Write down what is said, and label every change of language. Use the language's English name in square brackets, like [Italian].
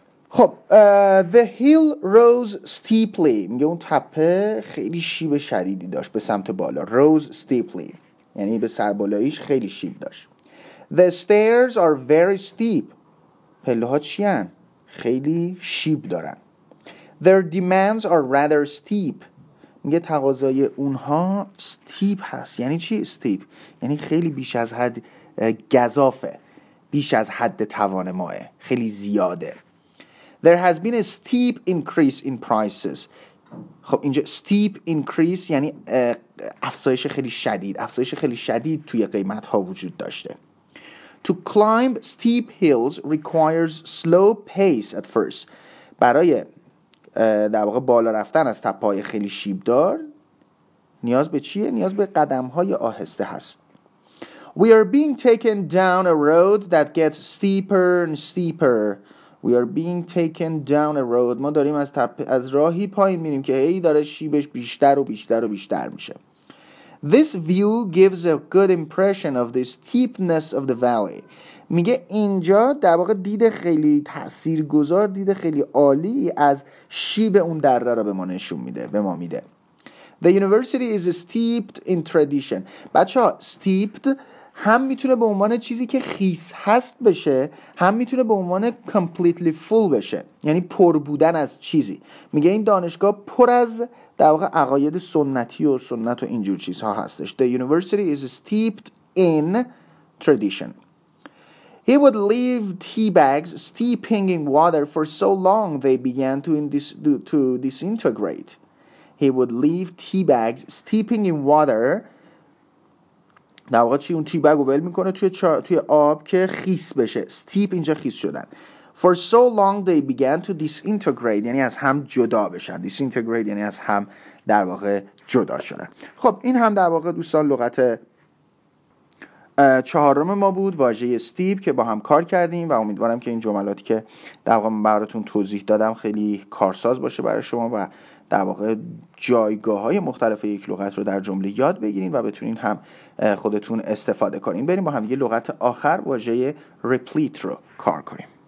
[Persian] خب [English] the hill rose steeply، [Persian] میگه اون تپه خیلی شیب شدیدی داشت به سمت بالا، rose steeply یعنی به سر بالاییش خیلی شیب داشت. [English] The stairs are very steep، [Persian] پله ها چی هن؟ خیلی شیب دارن. [English] Their demands are rather steep، [Persian] میگه تقاضای اونها steep هست. یعنی چی steep؟ یعنی خیلی بیش از حد گزافه، بیش از حد توان ماه، خیلی زیاده. [English] There has been a steep increase in prices، [Persian] خب اینجا steep increase یعنی افزایش خیلی شدید، افزایش خیلی شدید توی قیمت ها وجود داشته. [English] To climb steep hills requires slow pace at first، [Persian] برای در واقع بالا رفتن از تپه‌های خیلی شیبدار نیاز به چیه؟ نیاز به قدم‌های آهسته هست. [English] We are being taken down a road that gets steeper and steeper. We are being taken down a road، [Persian] ما داریم از راهی پایین میریم که هی داره شیبش بیشتر و بیشتر و بیشتر میشه. [English] This view gives a good impression of the steepness of the valley، [Persian] میگه اینجا در واقع دید خیلی تاثیرگذار، دید خیلی عالی از شیب اون دره را به ما نشون میده، به ما میده. [English] The university is steeped in tradition، [Persian] بچه ها steeped هم میتونه به عنوان چیزی که خیس هست بشه، هم میتونه به عنوان [English] completely full [Persian] بشه، یعنی پر بودن از چیزی. میگه این دانشگاه پر از در واقع عقاید سنتی و سنت و اینجور چیزها هستش. [English] The university is steeped in tradition. He would leave tea bags steeping in water for so long they began to disintegrate. He would leave tea bags steeping in water، [Persian] در واقع چی؟ اون تی بگ رو ول میکنه توی آب که خیس بشه. steep اینجا خیس شدن. [English] For so long they began to disintegrate، [Persian] یعنی از هم جدا بشن. disintegrate یعنی از هم در واقع جدا شدن. خب این هم در واقع دوستان لغت چهارم ما بود، واژه steep که با هم کار کردیم و امیدوارم که این جملاتی که در واقع من براتون توضیح دادم خیلی کارساز باشه برای شما و در واقع جایگاه های مختلف یک لغت رو در جمله یاد بگیرین و بتونین هم خودتون استفاده کنین. بریم با هم یه لغت آخر، واژه replete رو کار کنیم.